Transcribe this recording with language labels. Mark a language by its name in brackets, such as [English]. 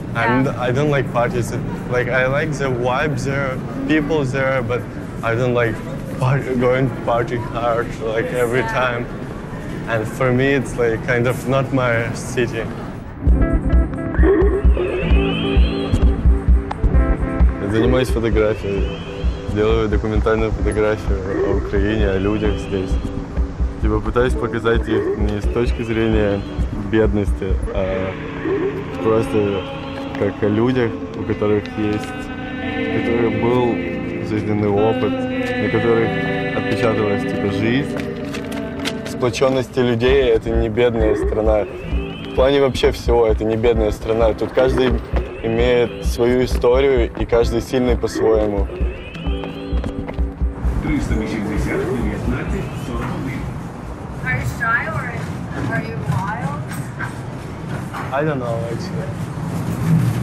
[English] yeah. I don't like parties. Like, I like the vibe there, people there, but I don't like going party hard like every time. And for me, it's like kind of not my city. [Russian] Я занимаюсь фотографией. Делаю документальную фотографию о Украине, о людях здесь. Типа пытаюсь показать их не с точки зрения бедности, а просто как о людях, у которых есть, у которых был жизненный опыт, на которых отпечаталась типа жизнь. Сплоченности людей — это не бедная страна. В плане вообще всего — это не бедная страна. Тут каждый имеет свою историю, и каждый сильный по-своему. 380, [English] 19, 40. Are you shy or are you wild? I don't know, actually.